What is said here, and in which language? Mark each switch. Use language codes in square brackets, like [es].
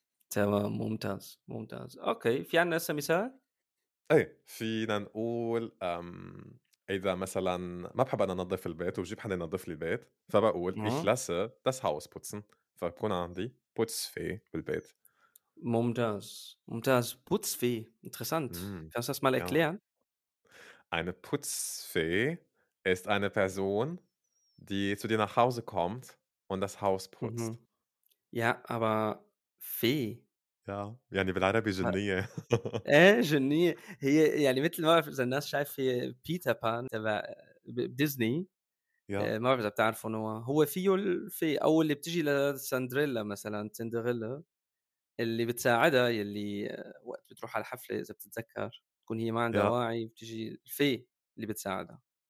[ar] تمام، ممتاز ممتاز. أوكي، في عنا هسه مثال؟ إيه، فينا نقول إذا مثلا ما بحب أنا نظف البيت وجيب حدا ينظف لي البيت، فبقول [de] Ich lasse das Haus putzen. [ar] فبكون عندي putz في بالبيت. ممتاز ممتاز. Putzfee، interessant. [de] Kannst du das mal erklären? Eine Putzfee ist eine Person, die zu dir nach Hause kommt und das Haus putzt. Ja, aber Fee. [ar] Ja, يعني بالعربي جنية. جنية هي يعني مثل ما بعرف إذا الناس شايف بيتر بان تبع ديزني. ما بعرف إذا بتعرفوا نوع هو فيه الفي، أو اللي بتجي لسندريلا مثلا، سندريلا اللي بتساعدها، يلي وقت بتروح على حفلة إذا بتتذكر تكون هي ما عندها واعي، بتجي الفي اللي بتساعدها.